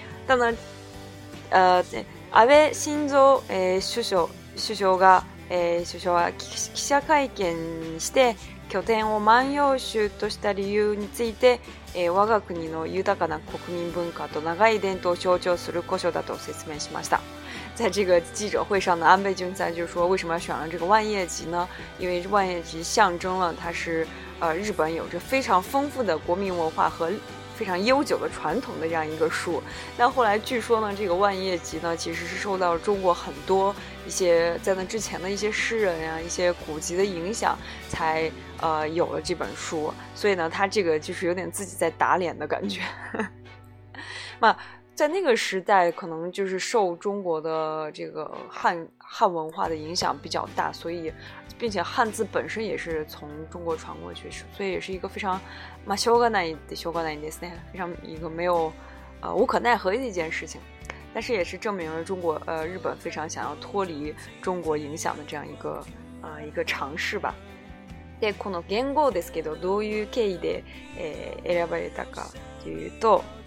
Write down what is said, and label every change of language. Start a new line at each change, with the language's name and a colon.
Chinese: 但呢，
Japanese: 安倍晋三首相は記者会見して。拠点を万葉集とした理由について、我が国の豊かな国民文化と長い伝統を象徴する古書だと説明しました。
Chinese: 在这个记者会上呢，安倍晋三就说为什么要选了这个万叶集呢？因为万叶集象征了它是日本有着非常丰富的国民文化和非常悠久的传统的这样一个书。那后来据说呢，这个万叶集呢其实是受到中国很多一些在那之前的一些诗人啊一些古籍的影响才有了这本书，所以呢他这个就是有点自己在打脸的感觉。那在那个时代可能就是受中国的这个汉文化的影响比较大，所以并且汉字本身也是从中国传过去，所以也是一个非常
Japanese: まあしょうがないでしょうがないですね，
Chinese: 非常一个没有无可奈何的一件事情，但是也是证明了中国日本非常想要脱离中国影响的这样一个一个尝试吧。
Japanese: でこの言語ですけどどういう経緯で選ばれたかというと。